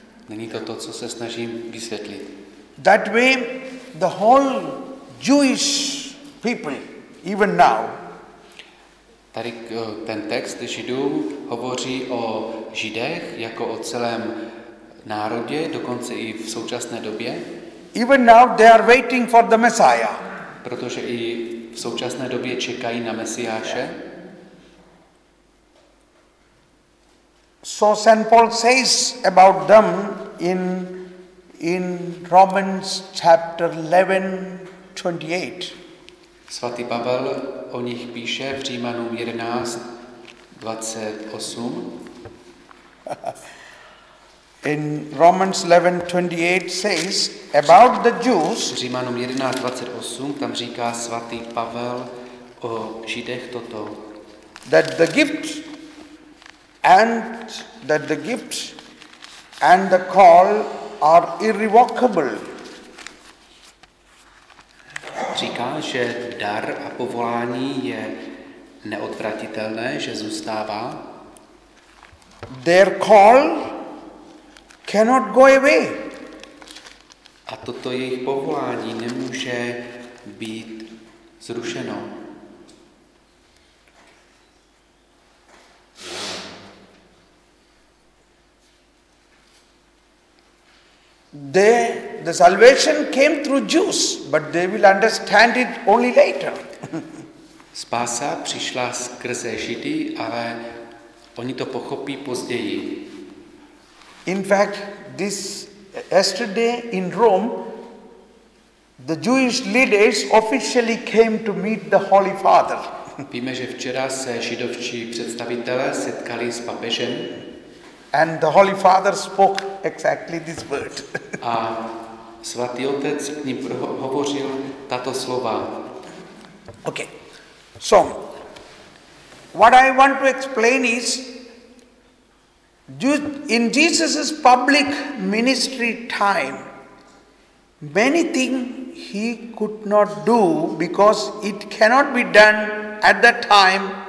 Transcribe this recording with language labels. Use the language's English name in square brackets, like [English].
[Czech] Není to to, co se snažím vysvětlit. [English] That way the whole Jewish people even now. [Czech] Tady ten text Židů hovoří o Židech jako o celém národě, dokonce i v současné době. [English] Even now they are waiting for the Messiah. [Czech] Protože i v současné době čekají na Mesiáše. [English] So St. Paul says about them in In Romans chapter 11:28. [Czech] Svatý Pavel o nich píše v Římanům 11:28. [English] In Romans 11:28 says about the Jews. [Czech] Římanům 11:28 tam říká svatý Pavel o Židech toto. [English] That the gift and the call are irrevocable. [Czech] Říká, že dar a povolání je neodvratitelné, že zůstává. [English] Their call cannot go away. [Czech] A toto jejich povolání nemůže být zrušeno. [English] The salvation came through Jews, but they will understand it only later. [Czech] Spása přišla skrze Židy, ale oni to pochopí později. [English] In fact, this yesterday in Rome, the Jewish leaders officially came to meet the Holy Father. [Czech] Víme, že včera se židovští představitelé setkali s papežem. [English] And the Holy Father spoke exactly this word. [Czech] A svatý otec k ním hovořil tato slova. [English] Okay. So, what I want to explain is, in Jesus' public ministry time, many things he could not do because it cannot be done at that time.